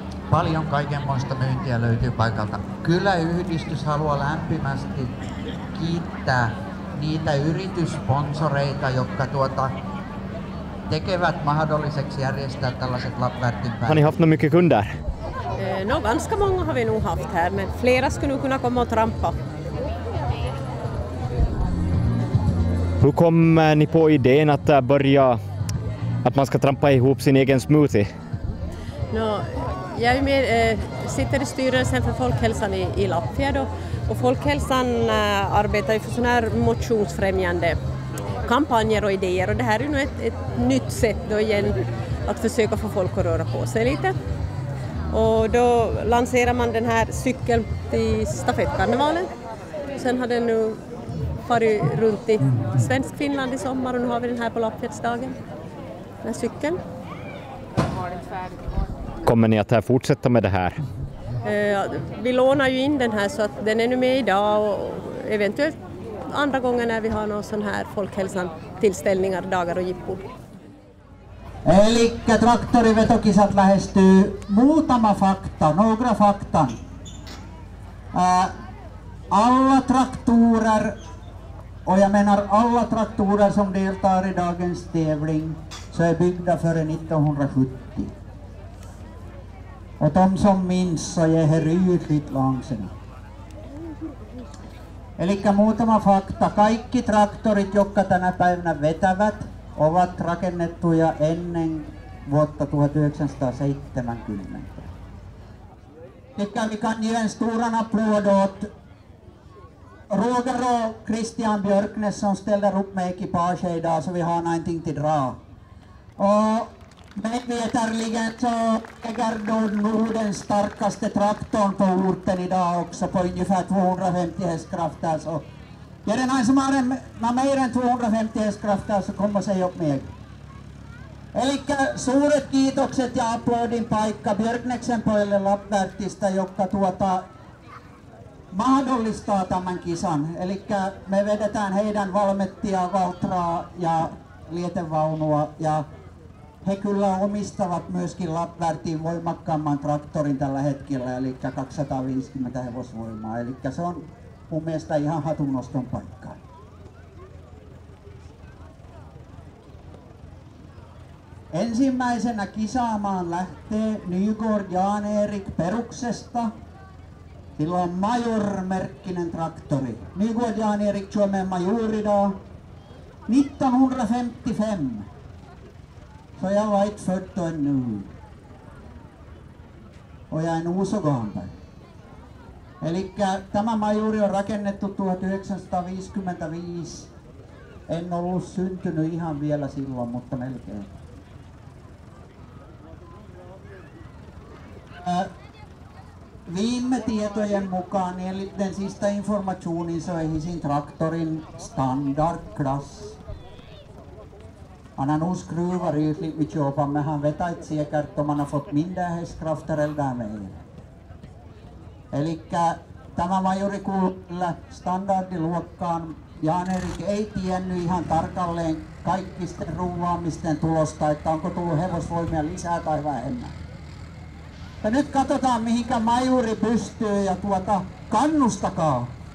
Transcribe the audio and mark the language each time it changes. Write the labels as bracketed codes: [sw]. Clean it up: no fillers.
[fi] Paljon kaikenmoista myyntiä löytyy paikalta. Kyläyhdistys haluaa lämpimästi kiittää niitä yrityssponsoreita, jotka tekevät mahdolliseksi järjestää tällaiset Lappvärtin päivät. [sv] Har ni haft några mycket kunder? No, ganska många har vi nog haft här, men flera skulle kunna komma och trampa. Hur kom ni på idén att börja att man ska trampa ihop sin egen smoothie? No, jag är med, sitter i styrelsen för folkhälsan i Lappfjärd och folkhälsan arbetar för sådana här motionsfrämjande kampanjer och idéer. Och det här är nu ett nytt sätt då igen att försöka få folk att röra på sig lite. Och då lanserar man den här cykeln till stafettkarnevalen. Sen har den nu farit runt i Svensk Finland i sommar och nu har vi den här på Lappfjärdsdagen, den här cykeln. Kommer ni att fortsätta med det här? Vi lånar ju in den här så att den är nu med idag och eventuellt andra gånger när vi har någon sån här folkhälsan tillställningar, dagar och jippo. [fi] Elikkä traktorivetokisat lähestyy. Muutama fakta, [sv] några fakta. Alla traktorer, och jag menar alla traktorer som deltar i dagens tävling, så är byggda före 1970. Och de som minns så är här rydligt långsamma. [fi] Elikkä muutama fakta. Kaikki traktorit, jotka tänä päivänä vetävät, ovat rakennettuja ennen vuotta 1970. [sv] Elikkä vi kan ge en stor applåd åt Roger och Christian Björknes som ställer upp med ekipage idag så vi har någonting till dra. Och medvetarligen så äger då Nordens starkaste traktorn på orten idag också på ungefär 250 hästkrafter. Så är det någon som har mer än 250 hästkrafter så kommer sig upp med. [fi] Elikkä suuret kiitokset ja applådin paikka Björkneksen pojille Lappvärtistä, jotka mahdollistaa tämän kisan. Elikkä me vedetään heidän Valmettia, Valtraa ja Lietevaunua ja he kyllä omistavat myöskin Lappvärtin voimakkaamman traktorin tällä hetkellä, eli 250 hevosvoimaa. Eli se on mun mielestä ihan hatunnoston paikka. Ensimmäisenä kisaamaan lähtee Nygård Jan-Erik Peruksesta. Sillä on Major-merkkinen traktori. Nygård Jan-Erik Suomen Majoridaa. Mitta 155. [sv] Så jag har inte fött den nu. Och jag är nog så gammal. [fi] Elikkä tämä majuri on rakennettu 1955. En ollut syntynyt ihan vielä silloin, mutta melkein. Viime tietojen mukaan, eli [sv] den sista informationen, så är hisin traktorin standardklass. Han har nog skruvat rysligt mitt jobb, men han vet inte säkert om han har fått mindre hästkrafter eller därmed. [fi] Elikkä tämä majuri kuulla standardiluokkaan. Jan-Erik ei tiennyt ihan tarkalleen kaikkisten ruuvaamisten tulosta, että onko tullut hevosvoimia lisää tai vähemmän. Ja nyt katsotaan, mihinkä majuri pystyy ja kannustakaa.